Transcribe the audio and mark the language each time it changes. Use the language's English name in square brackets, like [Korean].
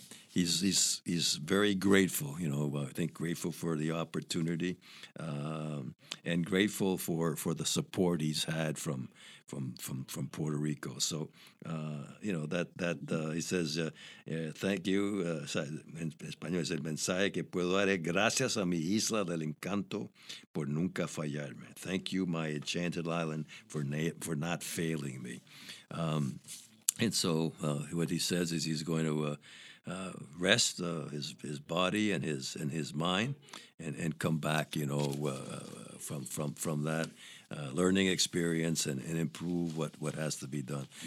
[English] He's very grateful, you know. I think grateful for the opportunity, and grateful for the support he's had from Puerto Rico. So, he says, thank you. [Spanish] En español es el mensaje que puedo dar. Gracias a mi isla del encanto por nunca fallarme. [English] Thank you, my enchanted island, for not failing me. What he says is he's going to rest his body and his mind and come back, you know, from that learning experience and improve what has to be done.